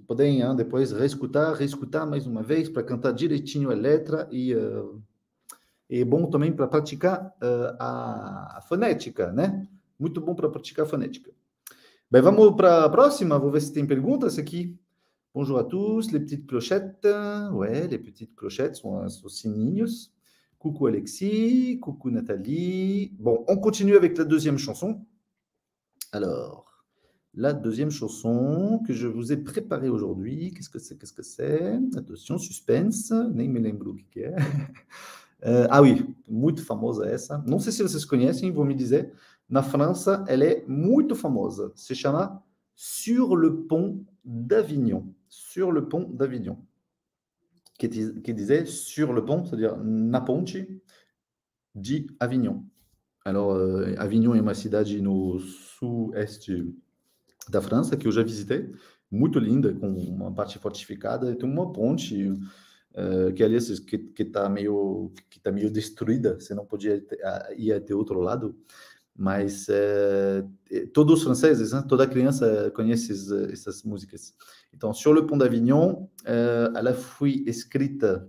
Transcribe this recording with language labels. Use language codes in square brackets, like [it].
[pt] Podem hein, depois reescutar mais uma vez para cantar direitinho a letra e é bom também para praticar a fonética, né? Muito bom para praticar a fonética. Bem, vamos para a próxima. Vou ver se tem perguntas aqui. [fr] Bonjour à tous, les petites clochettes. Ouais, les petites clochettes sont [pt] os sininhos. [fr] Coucou Alexis, coucou Nathalie. Bon, on continue avec la deuxième chanson. Alors. La deuxième chanson que je vous ai préparée aujourd'hui, qu'est-ce que c'est, qu'est-ce que c'est? Attention, suspense, [pt] nem me lembro o que é. [fr] Ah oui, [pt] muito famosa essa. Não sei se vocês conhecem, vou me dizer. Na França, ela é muito famosa. Se chama Sur le pont d'Avignon. [fr] Sur le pont d'Avignon. [pt] Que dizer [fr] sur le pont, c'est-à-dire [pt] na ponte de Avignon. Alors, Avignon é uma cidade no sul-est da França, que eu já visitei, muito linda, com uma parte fortificada, tem uma ponte, [fr] Quel est ce qui t'a mieux détruit, sinon pour y être autre lado. Mas tous les Français, hein, toute criança connaît ces musiques. Donc, Sur le pont d'Avignon, elle a été écrite.